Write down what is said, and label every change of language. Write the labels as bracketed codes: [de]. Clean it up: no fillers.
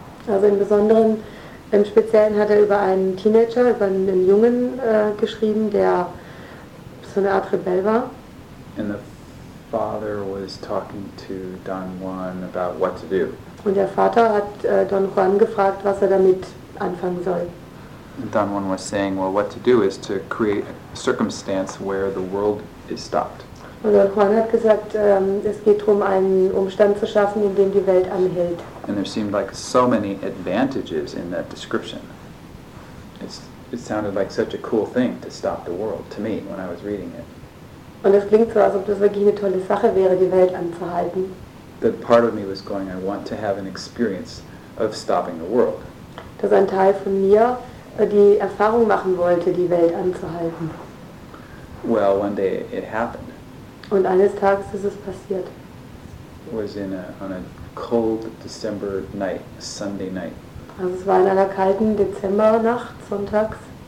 [de] Also im Besonderen, im Speziellen hat über einen Teenager, über einen Jungen geschrieben, der so eine Art Rebell war. [en] And the father was talking to Don Juan about what to do. [de] Und der Vater hat Don Juan gefragt, was damit anfangen soll. [en] And Don Juan was saying, well, what to do is to create a circumstance where the world is stopped. [de] Und Don Juan hat gesagt, es geht darum, einen Umstand zu schaffen, in dem die Welt anhält. [en] And there seemed like so many advantages in that description. It sounded like such a cool thing to stop the world, to me, when I was reading it. [de] Und es klingt so, als ob das wirklich eine tolle Sache wäre, die Welt anzuhalten. [en] That part of me was going, I want to have an experience of stopping the world. [de] Dass ein Teil von mir die Erfahrung machen wollte, die Welt anzuhalten. [en] Well, one day it happened. [de] Und eines Tages ist es passiert. [en] It was in on a cold December night, Sunday night. [de] Also es war in einer kalten Dezembernacht, sonntags.